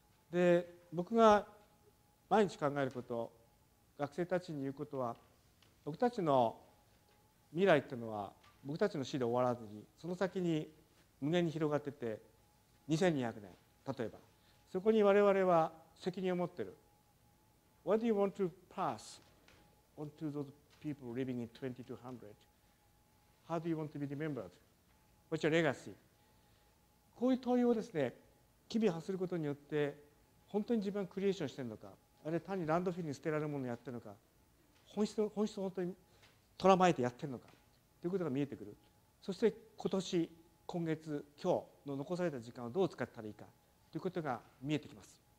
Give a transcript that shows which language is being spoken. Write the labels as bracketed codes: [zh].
[ja] で、僕が毎日考えること、学生たちに言うことは、僕たちの未来というのは僕たちの死で終わらずに、その先に無限に広がっていって、2200年、例えば。そこに我々は責任を持っている。 [en] What do you want to pass onto those people living in 2200? How do you want to be remembered? What's your legacy? [ja] こういう問いをですね、機微発することによって、本当に自分はクリエーションしているのか、あるいは単にランドフィルに捨てられるものをやっているのか、本質を本当に捕らまえてやっているのか、ということが見えてくる。そして今年、今月、今日の残された時間をどう使ったらいいかということが見えてきます。